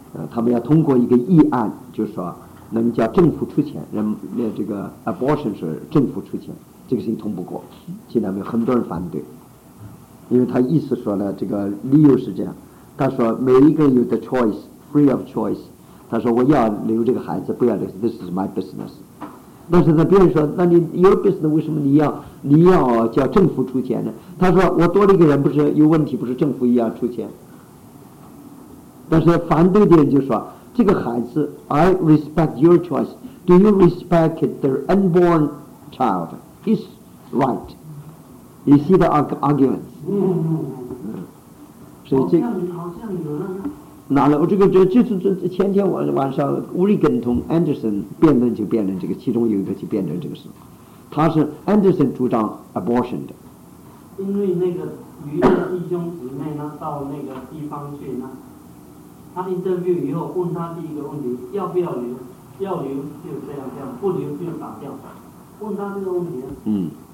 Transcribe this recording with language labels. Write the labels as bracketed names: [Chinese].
[Chinese] 他们要通过一个议案，就是说能叫政府出钱，人这个 abortion 是政府出钱，这个事情通不过，现在有很多人反对，因为他意思说呢，这个理由是这样，他说每一个人有 [English] the choice free of choice， [Chinese] 他说我要留这个孩子不要留 [English] this is my business， [Chinese] 但是呢别人说那你 [English] your business [Chinese] 为什么你要叫政府出钱呢？他说我多了一个人不是有问题，不是政府也要出钱。但是反对的人就说这个孩子 [English] I respect your choice， do you respect the unborn child his right， you see the arguments。 [Chinese] 所以这个拿了我这个前天晚上乌里根同 Anderson 辩论，就辩论这个，其中有一个就辩论这个事，他是 Anderson 主张 abortion 的，因为那个余的弟兄姊妹呢到那个地方去呢，他 interview 以后问他第一个问题要不要留，要留就这样这样，不留就打掉，问他这个问题